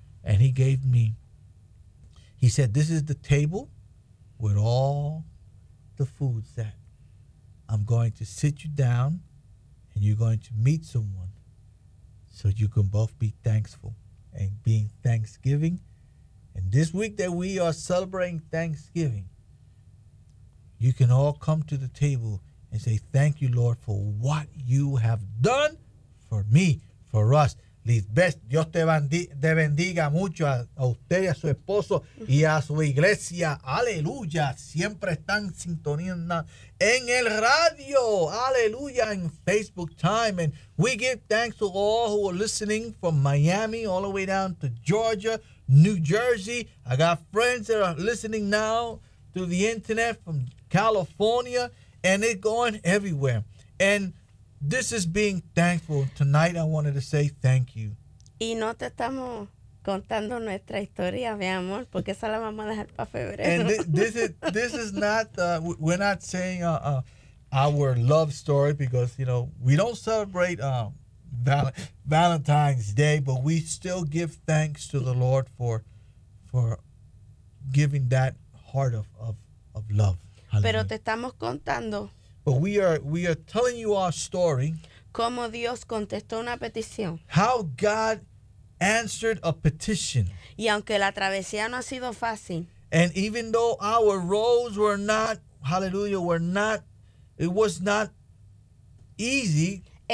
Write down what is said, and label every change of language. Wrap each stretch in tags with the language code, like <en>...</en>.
<en>And he said, this is the table with all the foods that I'm going to sit you down, and you're going to meet someone so you can both be thankful and being Thanksgiving. And this week that we are celebrating Thanksgiving, you can all come to the table and say, thank you, Lord, for what you have done for me, for us.</en> <es>Lisbeth, Dios te bendiga mucho a usted y a su esposo y a su iglesia. Aleluya. Siempre están sintonizando en el radio. Aleluya. En Facebook time.</es> <en>And we give thanks to all who are listening from Miami all the way down to Georgia, New Jersey. I got friends that are listening now through the internet from California, and it's going everywhere. And this is being thankful. Tonight I wanted to say thank you.</en> <es>Y no te estamos contando nuestra historia, mi amor, porque esa la vamos a dejar para febrero.</es> <en>And we're not saying our love story, because, you know, we don't celebrate Valentine's Day, but we still give thanks to the Lord for giving that heart of love.</en> <es>Hallelujah. Pero te estamos contando.</es> <en>But we are telling you our story.</en> <es>Como Dios contestó una petición.</es> <en>How God answered a petition.</en> <es>Y aunque la travesía no ha sido fácil.</es> <en>And even though our roads were not, hallelujah, were not, it was not easy.</en>